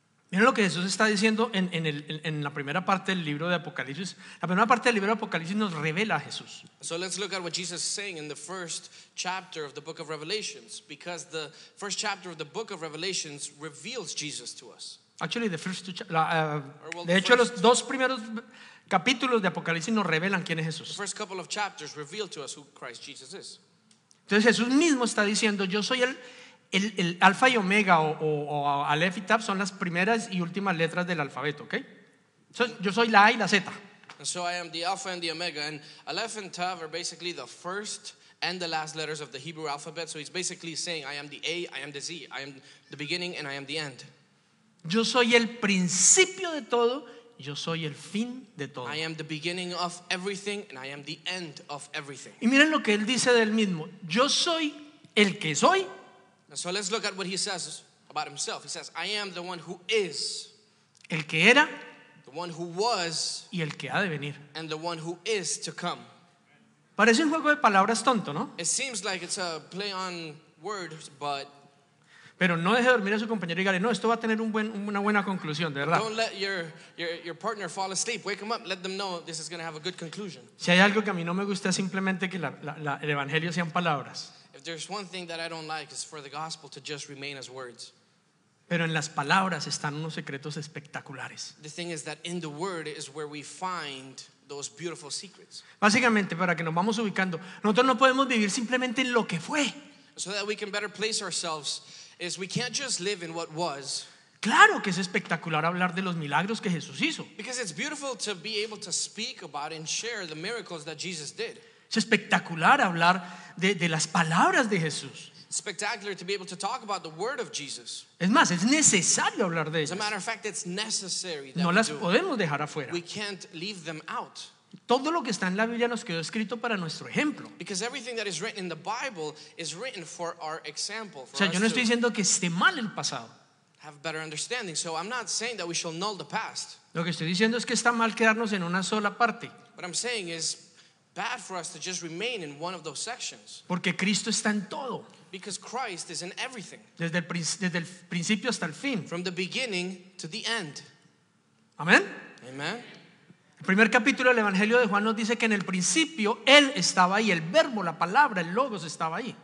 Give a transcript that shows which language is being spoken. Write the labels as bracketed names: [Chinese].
[Spanish] Miren lo que Jesús está diciendo en la primera parte del libro de Apocalipsis. La primera parte del libro de Apocalipsis nos revela a Jesús. [English] So let's look at what Jesus is saying in the first chapter of the book of Revelations, because the first chapter of the book of Revelations reveals Jesus to us. Actually, the first two [Spanish] de hecho, los dos primeros capítulos de Apocalipsis nos revelan quién es Jesús. [English] The first couple of chapters reveal to us who Christ Jesus is. [Spanish] Entonces Jesús mismo está diciendo, yo soy el alfa y omega o alef y tab son las primeras y últimas letras del alfabeto, ¿okay? So, yo soy la A y la Z. [English] And so I am the alpha and the omega, and alef and tab are basically the first and the last letters of the Hebrew alphabet. So he's basically saying, I am the A, I am the Z, I am the beginning and I am the end. [Spanish] Yo soy el principio de todo, yo soy el fin de todo. [English] I am the beginning of everything and I am the end of everything. [Spanish] Y miren lo que él dice del mismo. Yo soy el que soy. [English] So let's look at what he says about himself. He says, I am the one who is. [Spanish] El que era. [English] The one who was. [Spanish] Y el que ha de venir. [English] And the one who is to come. [Spanish] Parece un juego de palabras tonto, ¿no? [English] It seems like it's a play on words, but... [Spanish] Pero no deje de dormir a su compañero y dígale, no, esto va a tener una buena conclusión, de verdad. [English] Don't let your partner fall asleep. Wake him up. Let them know this is going to have a good conclusion. [Spanish] Si hay algo que a mí no me gusta, simplemente que el evangelio sean palabras. [English] If there's one thing that I don't like, it's for the gospel to just remain as words. [Spanish] Pero en las palabras están unos secretos espectaculares. [English] The thing is that in the word is where we find those beautiful secrets. [Spanish] Básicamente, para que nos vamos ubicando, nosotros no podemos vivir simplemente en lo que fue. [English] So that we can better place ourselves. Is we can't just live in what was. [Spanish] Claro que es espectacular hablar de los milagros que Jesús hizo. [English] Because it's beautiful to be able to speak about and share the miracles that Jesus did. [Spanish] Es espectacular hablar de las palabras de Jesús. [English] It's spectacular to be able to talk about the word of Jesus. [Spanish] Es más, es necesario hablar de ellas. [English] As a matter of fact, it's necessary that [Spanish] no [English] we [Spanish] las [English] do. [Spanish] Podemos dejar afuera. [English] We can't leave them out. [Spanish] Todo lo que está en la Biblia nos quedó escrito para nuestro ejemplo. [English] Because everything that is written in the Bible is written for our example. [Spanish] O sea, yo no estoy diciendo que esté mal el pasado. [English] Have better understanding. So I'm not saying that we shall null the past. [Spanish] Lo que estoy diciendo es que está mal quedarnos en una sola parte. [English] What I'm saying is bad for us to just remain in one of those sections. [Spanish] Porque Cristo está en todo. [English] Because Christ is in everything. [Spanish] Desde el principio hasta el fin. [English] From the beginning to the end. [Spanish] Amén. [English] Amen. [Spanish] El primer capítulo del Evangelio de Juan nos dice que en el principio Él estaba ahí, el Verbo, la Palabra, el Logos estaba ahí.